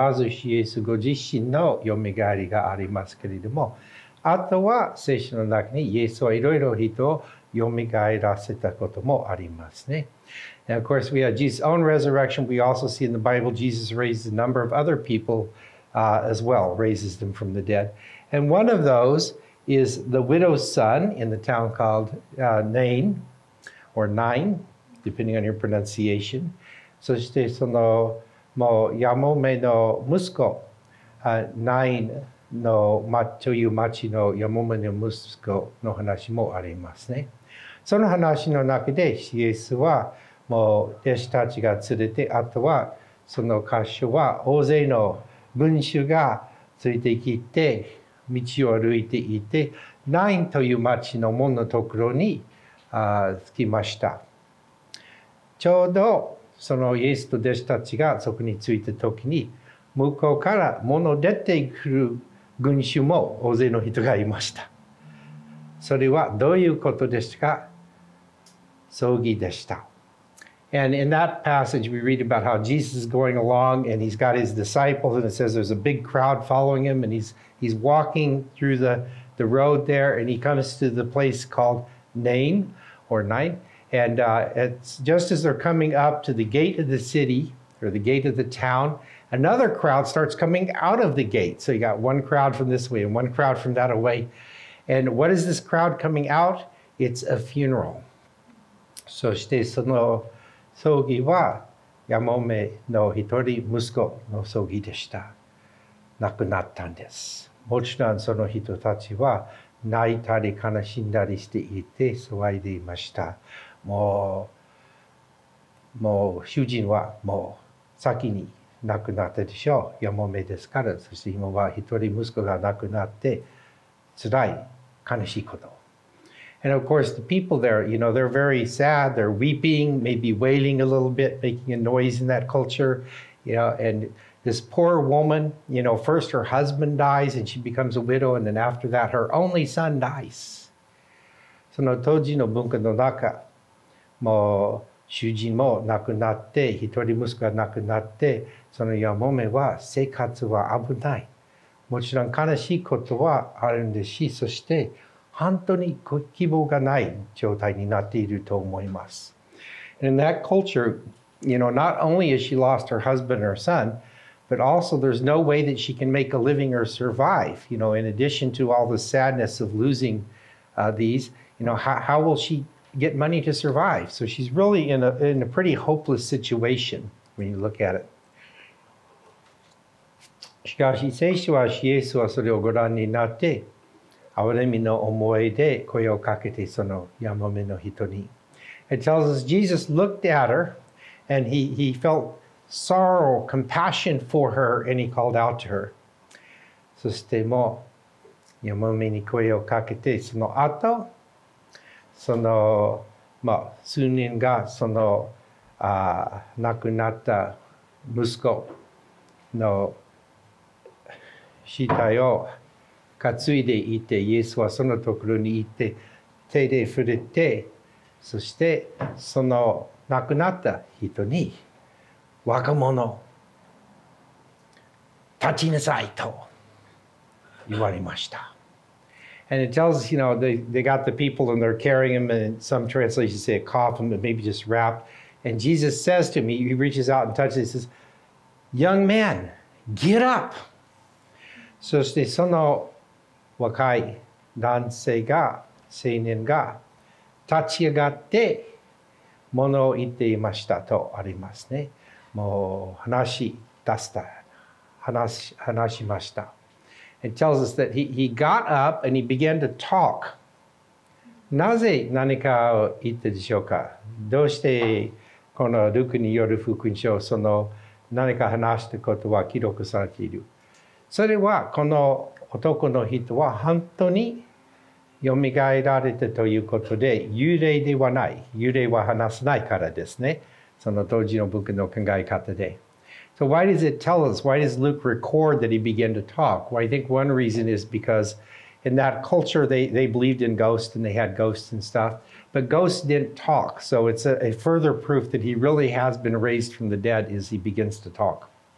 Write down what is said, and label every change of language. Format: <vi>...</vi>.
<ja>まずイエスご自身のよみがえりがありますけれども、あとは聖書の中にイエスはいろいろ人をよみがえらせたこともありますね。</ja> <en>Now, of course, we have Jesus' own resurrection. We also see in the Bible, Jesus raises a number of other people as well, raises them from the dead. And one of those is the widow's son in the town called Nain, or Nine, depending on your pronunciation.</en> <ja>そしてそのもうヤモメの息子、Nain の町という町のヤモメの息子の話もありますね。その話の中で、イエスはもう弟子たちが連れて、あとはその箇所は大勢の群衆がついてきて道を歩いていて、ナインという町の門のところに着きました。ちょうどそのイエスと弟子たちがそこに着いた時に、向こうから門を出てくる群衆も大勢の人がいました。それはどういうことですか？葬儀でした。</ja> <en>And in that passage, we read about how Jesus is going along and he's got his disciples, and it says there's a big crowd following him, and he's walking through the road there, and he comes to the place called Nain, or Nine. And it's just as they're coming up to the gate of the city, or the gate of the town, another crowd starts coming out of the gate. So you got one crowd from this way and one crowd from that way. And what is this crowd coming out? It's a funeral. So stay</en> <ja>その葬儀はヤモメの一人息子の葬儀でした。亡くなったんです。もちろんその人たちは泣いたり悲しんだりしていて騒いでいました。もう主人はもう先に亡くなったでしょう。やもめですから。そして今は一人息子が亡くなって、つらい、悲しいこと。</ja> <en>And of course, the people there, you know, they're very sad. They're weeping, maybe wailing a little bit, making a noise in that culture. You know, and this poor woman, you know, first her husband dies and she becomes a widow, and then after that, her only son dies.</en> <ja>その当時の文化の中、もう主人も亡くなって、一人息子が亡くなって、そのやもめは生活は危ない。もちろん悲しいことはあるんですし、そして本当に希望がない状態になっていると思います。</ja> <en>And in that culture, you know, not only has she lost her husband or son, but also there's no way that she can make a living or survive. You know, in addition to all the sadness of losing these, you know, how will she get money to survive? So she's really in a pretty hopeless situation when you look at it.</en> <ja>しかし聖書はイエスはそれをご覧になって憐れみの思いで声をかけてそのやもめの人に。</ja> <en>It tells us Jesus looked at her and he felt sorrow, compassion for her and he called out to her.</en> <ja>そしてもやもめに声をかけてその後その、まあ、数人がその亡くなった息子の死体を担いでいて、イエスはそのところに行って、手で触れて、そしてその亡くなった人に、若者、立ちなさいと言われました。</ja> <en>And it tells us, you know, they got the people and they're carrying him, and some translations say a coffin, but maybe just wrapped. And Jesus says to him, he reaches out and touches him, he says, Young man, get up!</en> <ja>そしてその若い男性が、青年が立ち上がって物を言っていましたとありますね。もう話しました。</ja> <en>It tells us that he got up and he began to talk.</en> <ja>なぜ何かを言ったでしょうか。どうしてこのルクによる福音書、その何か話したことは記録されている。それはこの男の人は本当によみがえられたということで、幽霊ではない、幽霊は話せないからですね。その当時の僕の考え方で。</ja> <en>So why does it tell us, why does Luke record that he began to talk? Well, I think one reason is because in that culture they believed in ghosts and they had ghosts and stuff, but ghosts didn't talk. So it's a further proof that he really has been raised from the dead as he begins to talk.</en>